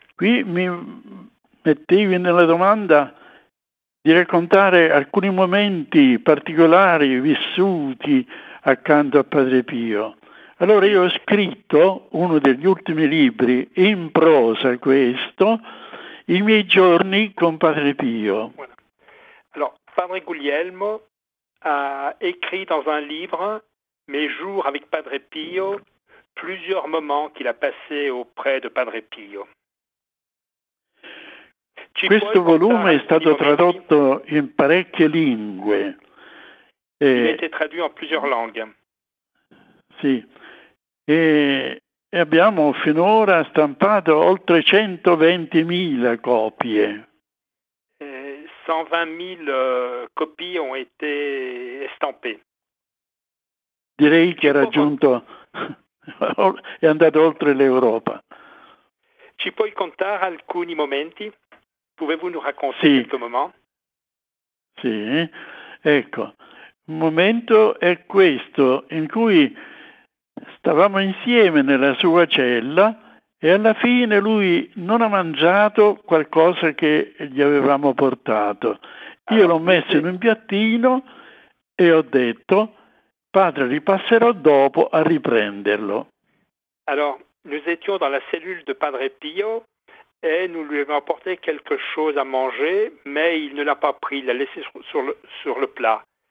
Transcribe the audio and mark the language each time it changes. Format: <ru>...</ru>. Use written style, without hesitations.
<it>Qui mi mettevi nella domanda di raccontare alcuni momenti particolari vissuti accanto a Padre Pio. Allora io ho scritto uno degli ultimi libri, in prosa questo, I miei giorni con Padre Pio. Allora, Padre Guglielmo ha scritto in un libro,</it> <fr>Mes jours avec Padre Pio, plusieurs moments qu'il a passé auprès de Padre Pio.</fr> <it>Ci questo volume è stato tradotto in parecchie lingue.</it> <fr>Il a été traduit en plusieurs langues.</fr> <it>Sì. E abbiamo finora stampato oltre 120.000 copie.</it> <fr>120.000 copie ont été estampées.</fr> <it>Direi che ha raggiunto è andato oltre l'Europa. Ci puoi contare alcuni momenti?</it> <fr>Pouvez-vous nous raconter</fr> <it>sì.</it> <fr>Quelques moments?</fr> <it>Sì, ecco, un momento è questo in cui Stavamo insieme nella sua cella e alla fine lui non ha mangiato qualcosa che gli avevamo portato. Io l'ho messo in un piattino e ho detto: padre, ripasserò dopo a riprenderlo.</it> <fr>Alors, nous étions dans la cellule de Padre Pio et nous lui avons apporté quelque chose à manger, mais il ne l'a pas pris, il l'a laissé sur le plat.</fr>